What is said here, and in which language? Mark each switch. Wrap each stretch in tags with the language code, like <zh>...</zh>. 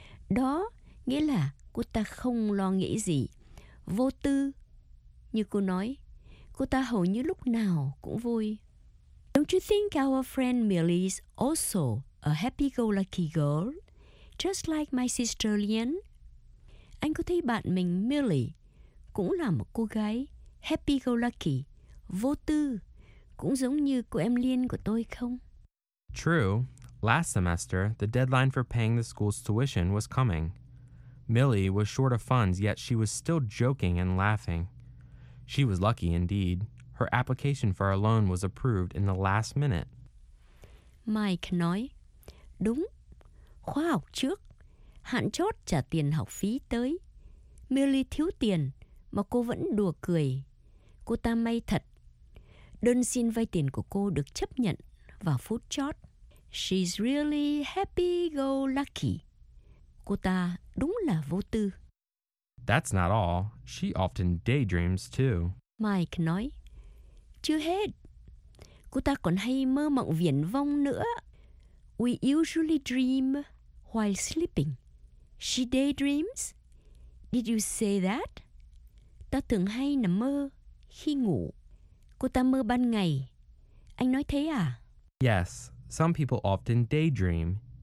<vi>Đó nghĩa là cô ta không lo nghĩ gì, vô tư. Như cô nói, cô ta hầu như lúc nào cũng vui.</vi> <en>Don't you think our friend Millie is also a happy-go-lucky girl, just like my sister Leanne?</en> <vi>Anh có thấy bạn mình Millie cũng là một cô gái happy-go-lucky, vô tư, cũng giống như cô em Liên của tôi không?</vi> <en>True. Last semester, the deadline for paying the school's tuition was coming. Millie was short of funds, yet she was still joking and laughing. She was lucky indeed. Her application for a loan was approved in the last minute.</en> <vi>Mike nói, đúng, khóa học trước. Hạn chót trả tiền học phí tới. Millie thiếu tiền mà cô vẫn đùa cười. Cô ta may thật. Đơn xin vay tiền của cô được chấp nhận vào phút chót.</vi> <en>She's really happy-go-lucky.</en> <vi>Cô ta đúng là vô tư.</vi> <en>That's not all. She often daydreams too.</en> <vi>Mike nói. Chưa hết. Cô ta còn hay mơ mộng viển vông nữa.</vi> <en>We usually dream while sleeping. She daydreams? Did you say that?</en> <vi>Ta thường hay nằm mơ khi ngủ. Cô ta mơ ban ngày. Anh nói thế à?</vi> <en>Yes, some people often daydream.</en>